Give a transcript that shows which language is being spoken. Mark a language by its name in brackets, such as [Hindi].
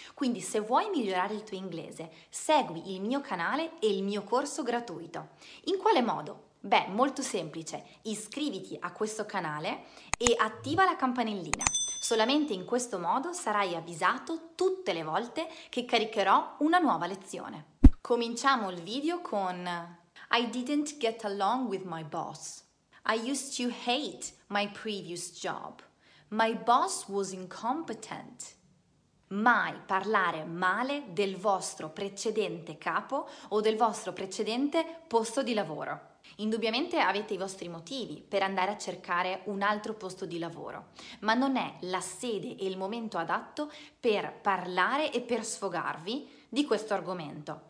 [Italian] Quindi se vuoi migliorare il tuo inglese, segui il mio canale e il mio corso gratuito. In quale modo? Beh, molto semplice, iscriviti a questo canale e attiva la campanellina. Solamente in questo modo sarai avvisato tutte le volte che caricherò una nuova lezione. Cominciamo il video con [English] I didn't get along with my boss. I used to hate my previous job. My boss was incompetent. [Italian] Mai parlare male del vostro precedente capo o del vostro precedente posto di lavoro. Indubbiamente avete i vostri motivi per andare a cercare un altro posto di lavoro, ma non è la sede e il momento adatto per parlare e per sfogarvi di questo argomento.